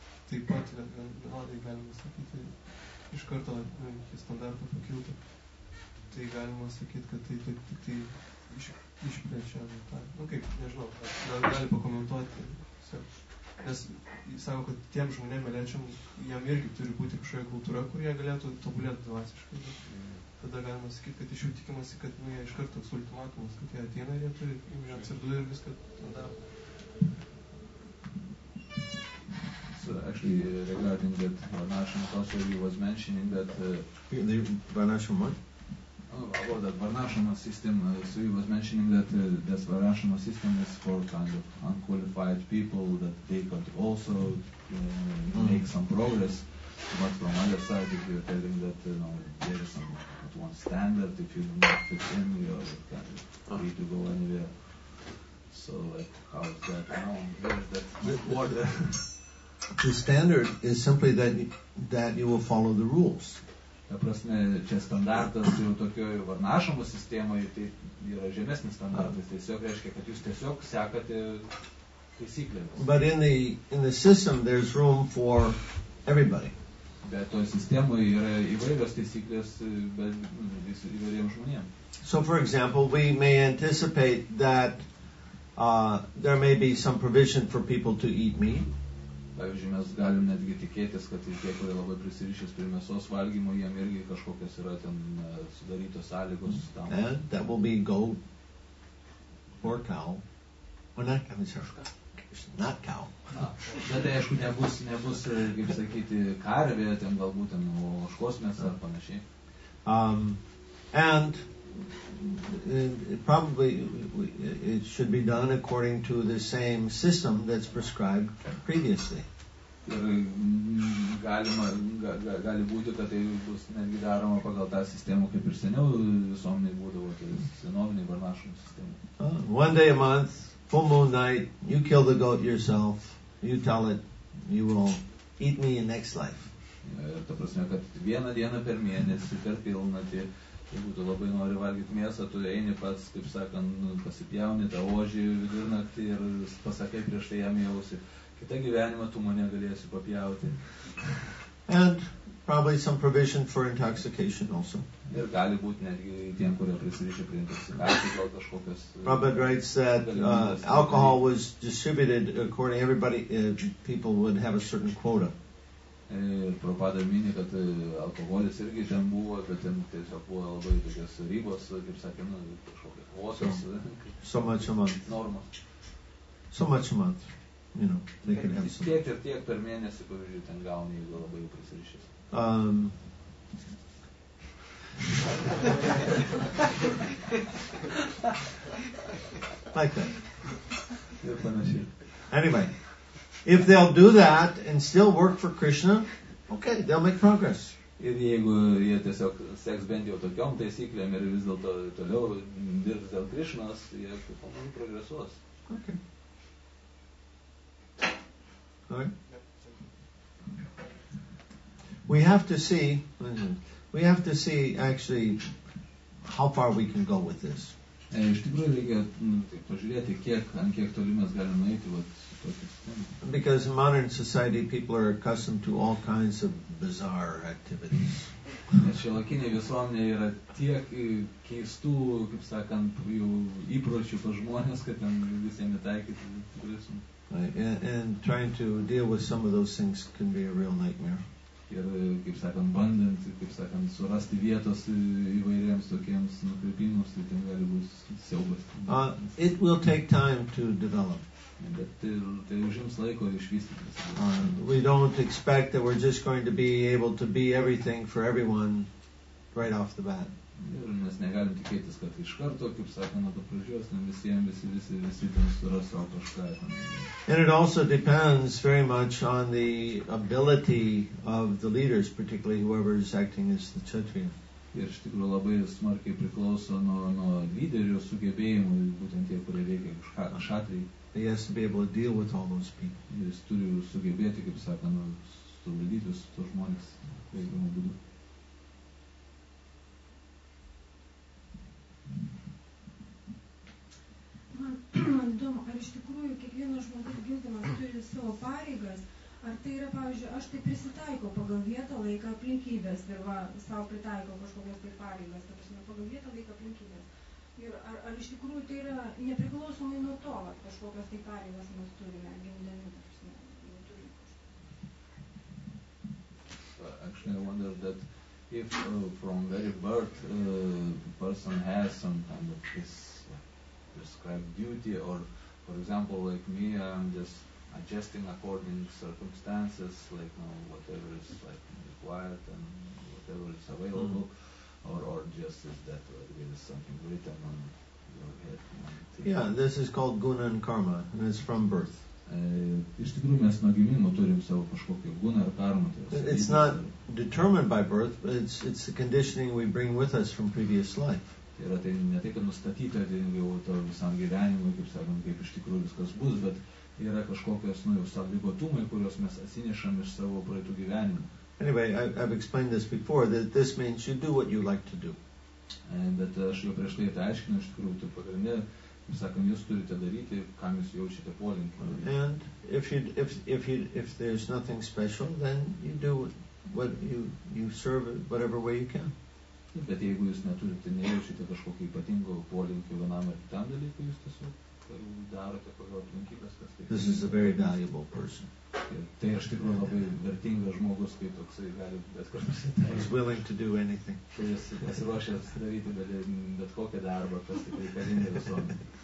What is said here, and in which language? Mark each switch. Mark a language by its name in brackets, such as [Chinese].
[Lithuanian] taip pat, vienodai galima sakyti, iš karto, nu, jie standartą pakiltų, tai galima sakyti, kad tai tik tai išplečia, nu, kaip, nežinau, dar gali pakomentuoti, visai. Nes jis sako, kad tiem žmonėm eliečiam, jam irgi turi būti kažkoje kultūra, kur jie galėtų tobulėti dvasiškai. Tada galima sakyti, kad iš jų tikimasi, kad nu, jie iš karto toks ultimatumas, kad jie ateina ir jie turi jie atsirduoja ir viską tada. [English] So actually, regarding that Varnashram also he was mentioning that... The Varnashram what? About that Varnashrama system, so he was mentioning that this Varnashrama system is for kind of unqualified people, that they could also make some progress, but from other side, if you're telling that you know, there is some at one standard, if you do not fit in, you're kind of free to go anywhere. So, like, how is that now? The standard is simply that you will follow the rules. [Lithuanian] Ta prasme, čia standartas jau tokiojo Varnašamo sistemoje, tai yra žemesnis standartas, tiesiog reiškia, kad jūs tiesiog sekate taisyklėmis. [English] But in the system there's room for everybody. [Lithuanian] Bet toj sistemoje yra įvairios taisyklės įvairiems žmonėms. [English] So for example, we may anticipate that there may be some provision for people to eat meat. [Lithuanian] Pavyzdžiui, mes galim netgi tikėtis, kad ir tie, kurie labai prisirišęs prie mėsos valgymo, jam irgi kažkokios yra ten sudarytos sąlygos tam. [English] And that will be goat or cow. Or not cow, not cow. [Lithuanian] Na, bet tai, aišku, nebus, kaip sakyti, karvė, ten galbūt ten ožkos mėsa ar panašiai. [English] And probably it should be done according to the same system that's prescribed previously. [Lithuanian] Ir gali būti, kad tai bus netgi daroma pagal tą sistemą, kaip ir seniau visuomeniai būdavo, tai senoviniai Varnašramo sistemą. [English] One day a month, full moon night, you kill the goat yourself, you tell it, you will eat me in next life. [Lithuanian] Ta prasme, kad vieną dieną per mėnesį, per pilnatį, jeigu tu labai nori valgyti mėsą, tu eini pats, kaip sakant, pasipjauni tą ožį vidurnaktį ir pasakai prieš tai jam jausi. Kita gyvenimą tu mane galėsi papjauti. [English] And probably some provision for intoxication also. [Lithuanian] Ir gali būti netgi tiem, kurie prisirišė prie intoksikacijos, gal kažkokios... [English] Prabhupada writes that alcohol was distributed according to everybody, people would have a certain quota. [Lithuanian] Prabhupada mini, kad alkoholis irgi ten buvo, bet ten tiesiog buvo labai tokios ribos, kaip sakė, nu, kažkokios osios. [English] So much a month. [Lithuanian] Normas. [English] So much a month. You know, they can have some. [Lithuanian] Tiek ir tiek per mėnesį, pavyzdžiui, ten gauni, jeigu labai jau prisirišęs. [English] Like that. [Lithuanian] Ir panašiai. [English] Anyway, if they'll do that and still work for Krishna, okay, they'll make progress. [Lithuanian] Ir jeigu jie tiesiog seks bent jau tokiom taisyklėm ir vis dėlto toliau dirbs dėl Krishnas, jie pamažu progresuos. [English] Okay. Right. We have to see actually how far we can go with this. [Lithuanian] Iš tikrųjų reikia pažiūrėti, ant kiek toli mes galime nueiti vat tokio sistemo. [English] Because in modern society people are accustomed to all kinds of bizarre activities. [Lithuanian] Šiuolaikinė visuomenė yra tiek keistų, kaip sakant, jų įpročių pas žmonės, kad ten visiem įtaikyti turėsim. [English] Right. And trying to deal with some of those things can be a real nightmare. [Lithuanian] Ir, kaip sakant, bandant, kaip sakant, surasti vietos įvairiems tokiems nukreipimus, tai ten gali būti siaubas. [English] It will take time to develop. [Lithuanian] Bet tai užims laiko išvystytis. [English] We don't expect that we're just going to be able to be everything for everyone right off the bat. [Lithuanian] Ir mes negalim tikėtis, kad iš karto, kaip sakant, nuo pradžios, visiems visi ten suras savo kažką. [English] And it also depends very much on the ability of the leaders, particularly whoever is acting as the kshatriya. [Lithuanian] Ir iš tikrųjų labai smarkiai priklauso nuo lyderio sugebėjimų, būtent tie, kurie veikia kshatriai. [English] He has to be able to deal with all those people. [Lithuanian] Jis turi sugebėti, kaip sakant, suvaldyti su to žmonės veikimo būdu. Man įdomu, ar iš tikrųjų kiekvienas žmogus girdimas turi savo pareigas, ar tai yra, pavyzdžiui, aš tai prisitaiko pagal vietą, laiką, aplinkybės ir va, savo pritaiko kažkokias tai pareigas, ta prasme, pagal vietą, laiką, aplinkybės. Ir ar iš tikrųjų tai yra nepriklausomai nuo to, ar kažkokias tai pareigas mes turime, gimdami, ta prasme, jau turime kažkokias. [English] If from very birth person has some kind of this prescribed duty, or for example like me, I'm just adjusting according to circumstances, like whatever is like required and whatever is available, mm-hmm. or just is that there is something written on your head. Yeah, this is called guna and karma, and it's from birth. [Lithuanian] Iš tikrųjų mes nuo gimimo turim savo kažkokį guną ar karmą. [English] It's not determined by birth, but it's the conditioning we bring with us from previous life. [Lithuanian] Tai yra tai ne tai, kad nustatyta jau to visam gyvenimui, kaip sakant, kaip iš tikrųjų viskas bus, bet yra kažkokios sąlygotumai, kuriuos mes atsinešam iš savo praeitų gyvenimų. [English] Anyway, I've explained this before, that this means you do what you like to do. [Lithuanian] Bet aš jau prieš tai aiškinu, iš tikrųjų, tai pagrindė, sakant, jūs turite daryti, kam jūs jaučiate polinkį. [English] And if there's nothing special, then you do what you serve whatever way you can. [Lithuanian] Bet jeigu jūs neturite, nejaučiate kažkokį ypatingo polinkį vienam ar kitam dalykui, jūs tiesiog darote pagal aplinkybės, kas tai. [English] This is a very valuable person. [Lithuanian] Tai iš tikrųjų labai vertingas žmogus, kai toksai gali bet kur pasitaikyti. [English] He's willing to do anything. [Lithuanian] Jis pasiruošęs daryti bet kokią darbą, kas tik reikalinga visuomenė.